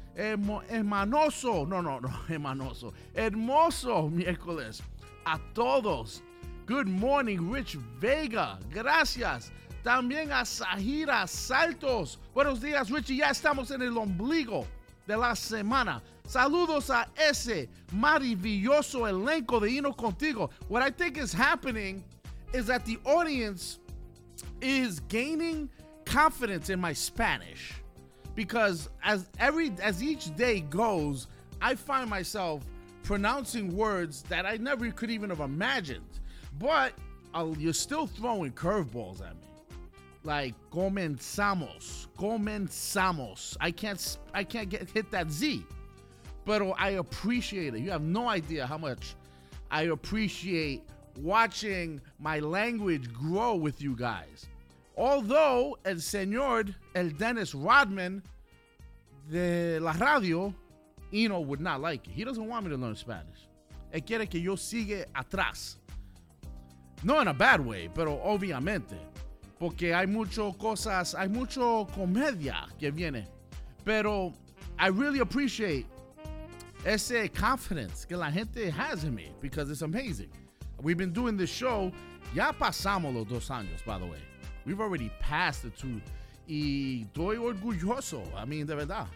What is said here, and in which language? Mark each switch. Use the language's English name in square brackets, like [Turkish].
[Spanish] Hermanoso, no, hermanoso. Hermoso miércoles a todos. [English] Good morning, [Spanish] Rich Vega. Gracias. También a Sahira Saltos. Buenos días, Richie. Ya estamos en el ombligo de la semana. Saludos a ese maravilloso elenco de Ino Contigo. [English] What I think is happening is that the audience is gaining confidence in my Spanish. Because as each day goes, I find myself pronouncing words that I never could even have imagined. But you're still throwing curveballs at me. Like, comenzamos. I can't get hit that Z. Pero I appreciate it. You have no idea how much I appreciate watching my language grow with you guys. Although, [Spanish] el señor, el Dennis Rodman de la radio, [English] Ino would not like it. He doesn't want me to learn Spanish. [Spanish] Él quiere que yo siga atrás. [English] No in a bad way, [Spanish] pero obviamente. Porque hay mucho cosas, hay mucho comedia que viene. [English] Pero I really appreciate ese confidence [Spanish] que la gente [English] has in me because it's amazing. We've been doing this show. [Spanish] Ya pasamos los 2 años, [English] by the way. We've already passed the 2. [Spanish] Y estoy orgulloso. [English] I mean, [Spanish] de verdad.